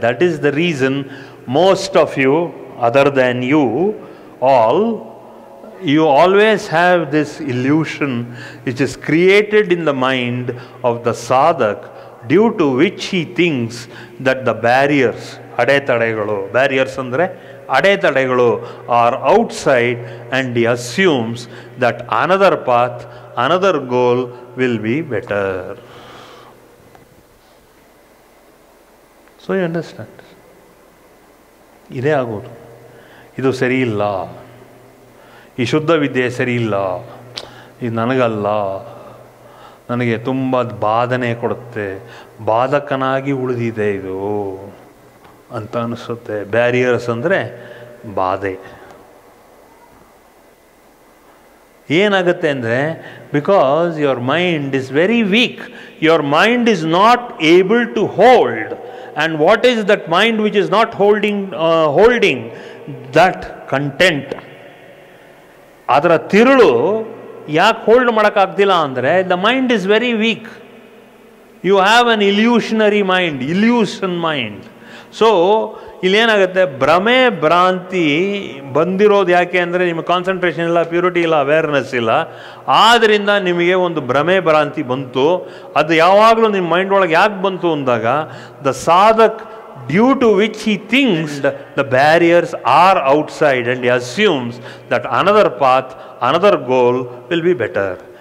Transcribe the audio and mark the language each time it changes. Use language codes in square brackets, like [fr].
[en] That is the reason most of you, other than you all, you always have this illusion which is created in the mind of the sadhak, due to which he thinks that the barriers, [kn] adetadegalu, barriers andre adetadegalu, [en] are outside, and he assumes that another path, another goal will be better. So you understand, [kn] ಇದೇ ಆಗೋದು. ಇದು ಸರಿ ಇಲ್ಲ, ಈ ಶುದ್ಧ ವಿದ್ಯೆ ಸರಿ ಇಲ್ಲ, ಇದು ನನಗಲ್ಲ, ನನಗೆ ತುಂಬ ಬಾಧನೆ ಕೊಡುತ್ತೆ, ಬಾಧಕನಾಗಿ ಉಳಿದಿದೆ ಇದು ಅಂತ ಅನಿಸುತ್ತೆ. ಬ್ಯಾರಿಯರ್ಸ್ ಅಂದರೆ ಬಾಧೆ. ಏನಾಗುತ್ತೆ ಅಂದರೆ, [en] Because your mind is very weak, your mind is not able to hold. And what is that mind which is not holding that content? [kn] Adra tirulu yak hold madakagdila andre [en] the mind is very weak. You have an illusionary mind, illusion mind. So [kn] ಇಲ್ಲೇನಾಗುತ್ತೆ, ಭ್ರಮೆ ಭ್ರಾಂತಿ ಬಂದಿರೋದು ಯಾಕೆ ಅಂದರೆ ನಿಮ್ಗೆ concentration ಇಲ್ಲ, purity ಇಲ್ಲ, awareness ಇಲ್ಲ, ಆದ್ದರಿಂದ ನಿಮಗೆ ಒಂದು ಭ್ರಮೆ ಭ್ರಾಂತಿ ಬಂತು. ಅದು ಯಾವಾಗಲೂ ನಿಮ್ಮ ಮೈಂಡ್ ಒಳಗೆ ಯಾಕೆ ಬಂತು ಅಂದಾಗ, [en] The sadhak due to which he thinks the barriers are outside and he assumes that another path another goal will be better.